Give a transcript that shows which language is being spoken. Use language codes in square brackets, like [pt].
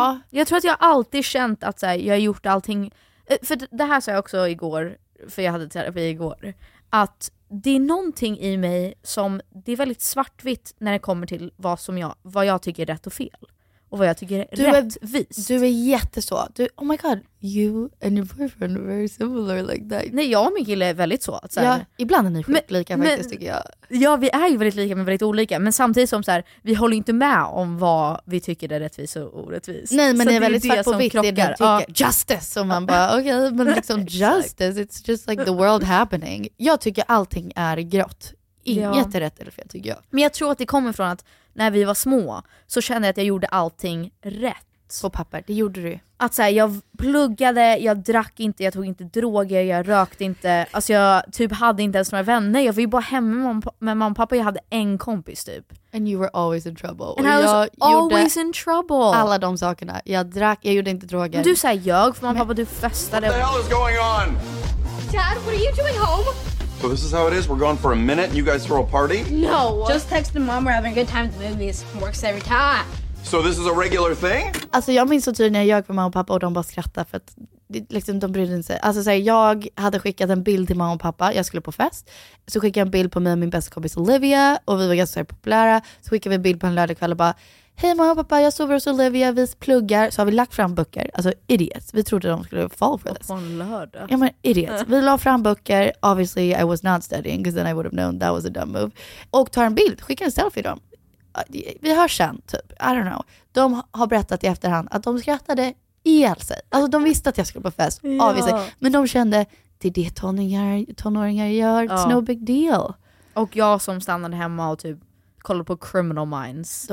[sv] Jag tror att jag alltid känt att så här, jag har gjort allting. För det här sa jag också igår. För jag hade terapi igår. Att det är någonting i mig som... Det är väldigt svartvitt när det kommer till vad jag tycker är rätt och fel. och vad jag tycker är du rättvist. Du är jätteså. Du, [en] oh my god, you and your boyfriend are very similar like that. [sv] Nej, jag och min kille är väldigt så. Att, så här, ja, ibland är ni sjukt lika faktiskt, men, tycker jag. Ja, vi är ju väldigt lika men väldigt olika. Men samtidigt som så här, vi håller inte med om vad vi tycker är rättvist och orättvist. Nej, men så det är väldigt svart på vitt det ni tycker. Ja. Justice, och man bara, okej, okay, men liksom justice, [en] it's just like the world happening. [sv] Jag tycker allting är grått. Inget är rätt eller fel, tycker jag. Men jag tror att det kommer från att när vi var små så kände jag att jag gjorde allting rätt. På papper, det gjorde du. Att så här, jag pluggade, jag drack inte, jag tog inte droger, jag rökte inte. Alltså jag typ hade inte ens några vänner. Jag var ju bara hemma med mamma och pappa. Jag hade en kompis typ. [en] And you were always in trouble. And I was always in trouble. [sv] Alla de sakerna. Jag drack, jag gjorde inte droger. Men du säger jag, för mamma och pappa, du festade. [en] What the hell is going on? Dad, what are you doing home? So this is how it is. We're gone for a minute and you guys throw a party? No. Just texting mom, we're having a good time at the movies. Works every time. So this is a regular thing? [sv] Alltså jag minns så tydligt när jag gick med mamma och pappa och de bara skrattade för att liksom, de brydde sig. Alltså så här, jag hade skickat en bild till mamma och pappa. Jag skulle på fest. Så skickade jag en bild på mig och min bästa kompis Olivia. Och vi var ganska populära. Så skickade vi en bild på en lördagkväll och bara, hej mamma och pappa, jag sover hos Olivia, vi pluggar. Så har vi lagt fram böcker, alltså idiot. Vi trodde de skulle fall för det. På en lördag. Ja, men idiot. Vi la fram böcker, [en] obviously I was not studying because then I would have known that was a dumb move. [sv] Och tar en bild, skickar en selfie dem. Vi hör sen, typ, [en] I don't know. [sv] De har berättat i efterhand att de skrattade ihjäl sig. Alltså de visste att jag skulle på fest, obviously. Ja. Men de kände, det är det tonåringar gör, [en] it's no big deal. [sv] Och jag som stannade hemma och typ kollar på Criminal Minds.